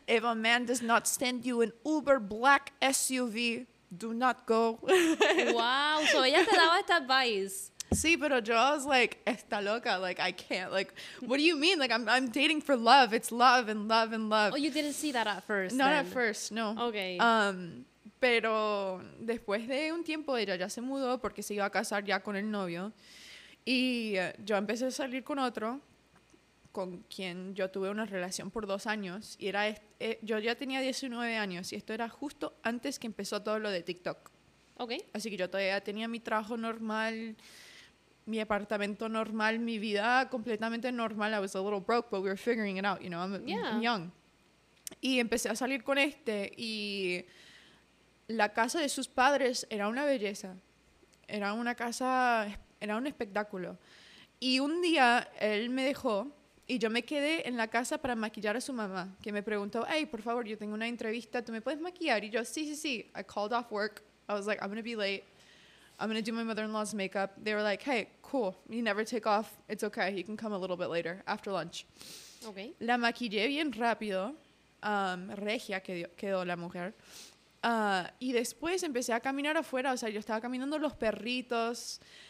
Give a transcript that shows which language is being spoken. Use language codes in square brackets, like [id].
[en] If a man does not send you an Uber black SUV, do not go. [es] Wow, so ella te daba esta advice. Sí, pero yo [en] was like, [es] está loca, [en] like, I can't, like, what do you mean? Like, I'm dating for love, it's love and love and love. Oh, you didn't see that at first. Not then. At first, no. Okay. [es] Pero después de un tiempo ella ya se mudó porque se iba a casar ya con el novio. Y yo empecé a salir con otro, con quien yo tuve una relación por 2 años, y era yo ya tenía 19 años, y esto era justo antes que empezó todo lo de TikTok. [en] Okay. [es] Así que yo todavía tenía mi trabajo normal, mi apartamento normal, mi vida completamente normal. [en] I was a little broke, but we were figuring it out, you know, I'm young. [es] Y empecé a salir con este, y la casa de sus padres era una belleza. Era una casa, era un espectáculo. Y un día él me dejó, y yo me quedé en la casa para maquillar a su mamá, que me preguntó, hey, por favor, yo tengo una entrevista, ¿tú me puedes maquillar? Y yo, sí, sí, sí. [en] I called off work. I was like, I'm going to be late. I'm going to do my mother-in-law's makeup. They were like, hey, cool. You never take off. It's okay. You can come a little bit later, after lunch. Okay. [es] La maquillé bien rápido. Regia quedó la mujer. Y después empecé a caminar afuera. O sea, yo estaba caminando los perritos.